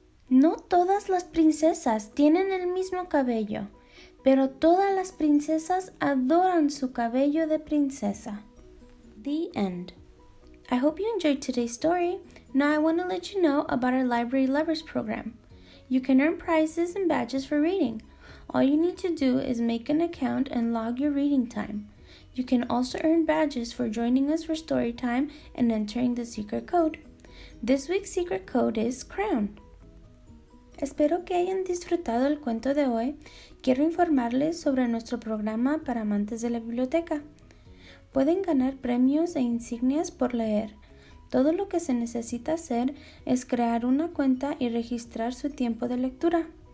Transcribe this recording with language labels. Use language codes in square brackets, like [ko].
[es] No todas las princesas tienen el mismo cabello, pero todas las princesas adoran su cabello de princesa. [en] The end. I hope you enjoyed today's story. Now I want to let you know about our Library Lovers program. You can earn prizes and badges for reading. All you need to do is make an account and log your reading time. You can also earn badges for joining us for story time and entering the secret code. This week's secret code is CROWN. [es] Espero que hayan disfrutado el cuento de hoy. Quiero informarles sobre nuestro programa para amantes de la biblioteca. Pueden ganar premios e insignias por leer. Todo lo que se necesita hacer es crear una cuenta y registrar su tiempo de lectura.